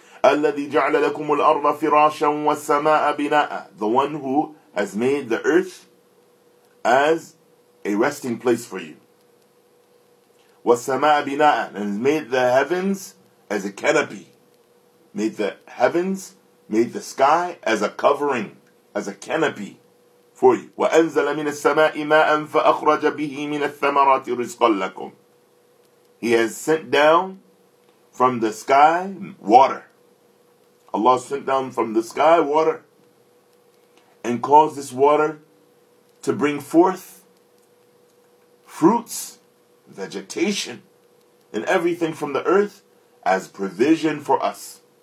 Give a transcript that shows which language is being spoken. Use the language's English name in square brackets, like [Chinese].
[Arabic] الَّذِي جَعْلَ لَكُمُ الْأَرْضَ فِرَاشًا وَالسَّمَاءَ بِنَاءً, [English] the one who has made the earth as a resting place for you. [Arabic] وَالسَّمَاءَ بِنَاءً, [English] and has made the heavens as a canopy, made the heavens, made the sky as a covering, as a canopy for you. [Arabic] وَأَنْزَلَ مِنَ السَّمَاءِ مَاءً فَأَخْرَجَ بِهِ مِنَ الثَّمَرَاتِ رِزْقًا لَكُمْ, [English] he has sent down from the sky water. Allah sent down from the sky water and caused this water to bring forth fruits, vegetation, and everything from the earth as provision for us.